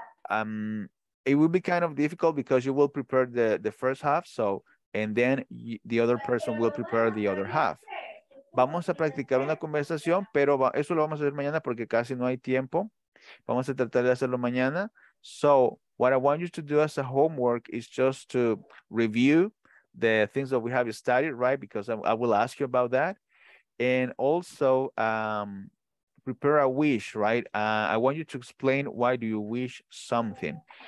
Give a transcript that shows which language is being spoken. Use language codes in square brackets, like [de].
[en] It will be kind of difficult because you will prepare the first half. So, and then the other person will prepare the other half. [es] Vamos a practicar una conversación, pero eso lo vamos a hacer mañana porque casi no hay tiempo. Vamos a tratar de hacerlo mañana. [en] So, what I want you to do as a homework is just to review the things that we have studied, right? Because I will ask you about that. And also prepare a wish, right? I want you to explain why do you wish something.